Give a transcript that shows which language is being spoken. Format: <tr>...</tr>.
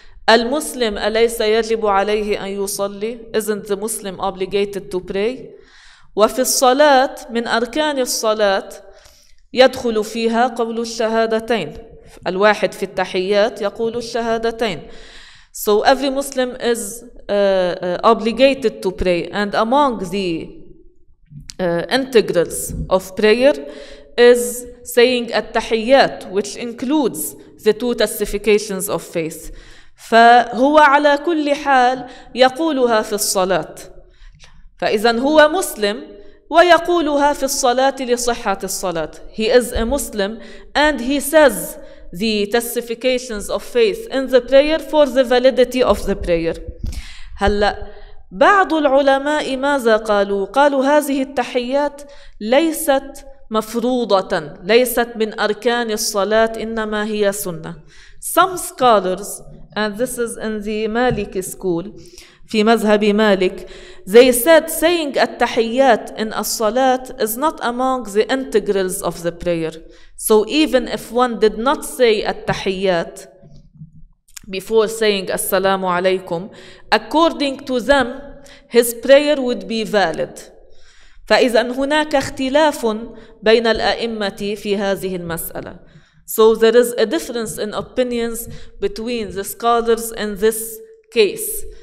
<ar>المسلم أليس يجب عليه أن يصلي؟</ar> <en>Isn't the Muslim obligated to pray?</en> <ar>وفي الصلاة من أركان الصلاة يدخل فيها قول الشهادتين. الواحد في التحيات يقول الشهادتين.</ar> <en>So every Muslim is obligated to pray, and among the integrals of prayer is saying التحيات, which includes the two testifications of faith.</en> <ar>فهو على كل حال يقولها في الصلاة. فإذا هو مسلم ويقولها في الصلاة لصحة الصلاة.</ar> <en>He is a Muslim and he says the testifications of faith in the prayer for the validity of the prayer.</en> <ar>هلا بعض العلماء ماذا قالوا؟ قالوا هذه التحيات ليست مفروضة، ليست من أركان الصلاة، إنما هي سنة.</ar> <en>Some scholars, and this is in the Malik school,</en> <ar>في مذهب مالك,</ar> <en>they said saying التحيات in الصلاة is not among the integrals of the prayer. So even if one did not say التحيات before saying</en> <ar>السلام عليكم,</ar> <en>according to them, his prayer would be valid.</en> <ar>فإذا هناك اختلاف بين الأئمة في هذه المسألة.</ar> <en>So there is a difference in opinions between the scholars in this case.</en>